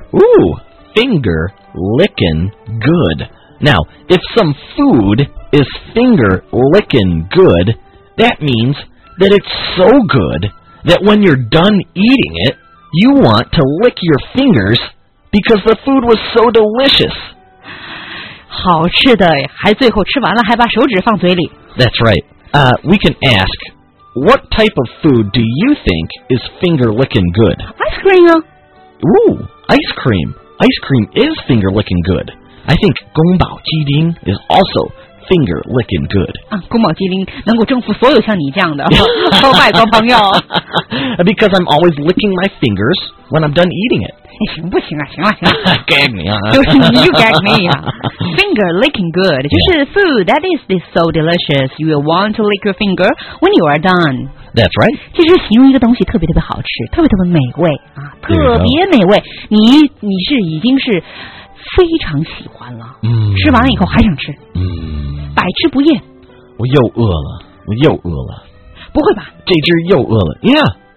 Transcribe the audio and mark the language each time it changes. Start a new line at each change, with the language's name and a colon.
English: Ooh Finger licking goodNow, if some food is finger-licking good, that means that it's so good that when you're done eating it, you want to lick your fingers because the food was so delicious.
Chinese: 好吃的，还最后吃完了还把手指放嘴里。
English: That's right. We can ask, what type of food do you think is finger-licking good? Ice cream. Ooh, ice cream. Ice cream is finger-licking good. I think 宫保鸡丁 is also finger licking good.
Chinese: 宫保鸡丁能够征服所有像你这样的外国朋友。
English: Because I'm always licking my fingers when I'm done eating it.
Chinese: 行不行啊行了行了。
English: Gag me 啊。
Chinese: 就是你又
English: gag me 啊。Finger licking good.
Chinese: 就是
English: food that is so delicious. You will want to lick your finger when you are done. That's right.
Chinese: 其实形容一个东西特别特别好吃特别特别美味啊特别美味。你是已经是。非常喜欢了、吃完了以后还想吃、百吃不厌我又饿了不会吧这只又饿了 Yeah